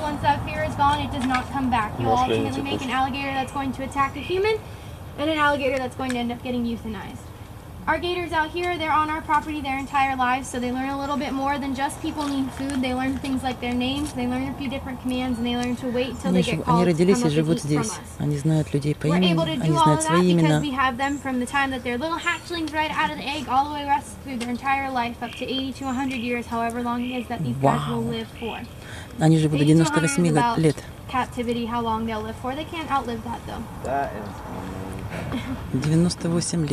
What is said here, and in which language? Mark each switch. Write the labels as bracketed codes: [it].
[en] Once that fear is gone, it does not come back. You will ultimately make an alligator that's going to attack a human. And an alligator that's going to end up getting euthanized. Our gators out here, they're on our property their entire lives, so they learn a little bit more than just people need food. They learn things like their names, they learn a few different commands, and they learn to wait until they get called. [ru] Они родились и живут здесь. Они знают людей по имени, они знают свои имена. [en] Because we have them from the time that they're little hatchlings right out of the egg all the way rest through their entire life up to 80 to 100 years, however long it is that these guys will live for. [ru] Они живут до 98 лет. [en] Captivity, how long they'll live for. They can't outlive that though. That is [ru] 98 лет.